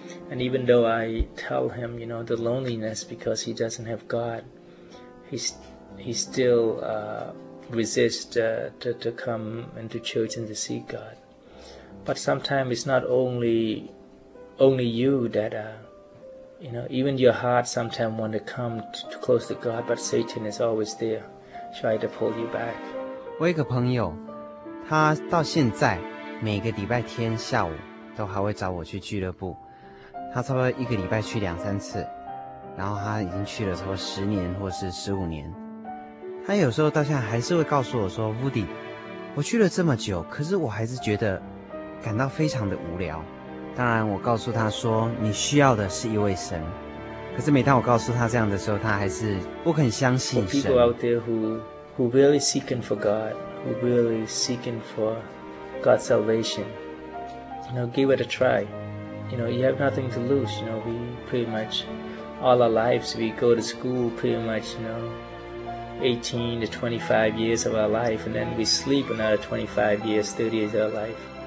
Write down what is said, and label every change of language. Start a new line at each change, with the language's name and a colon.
English: And even though I tell him, you know, the loneliness because he doesn't have God, he still resists to come into church and to seek God. But sometimes it's not only you that, you know, even your heart sometimes want to come close to God, but Satan is always there. try to pull you back.
Chinese: 我有一个朋友，他到现在每个礼拜天下午都还会找我去俱乐部，他差不多一个礼拜去两三次，然后他已经去了差不多10年或是15年。他有时候到现在还是会告诉我说 Woody， 我去了这么久，可是我还是觉得感到非常的无聊。当然我告诉他说，你需要的是一位神，可是每当我告诉他这样的时候，他还是不肯相信神。
English: For people out there who really seeking for God, who really seeking for God's salvation, you know, give it a try. You know, you have nothing to lose. You know, we pretty much all our lives, we go to school pretty much, you know, 18 to 25 years of our life, and then we sleep another 25 years, 30 years of our life.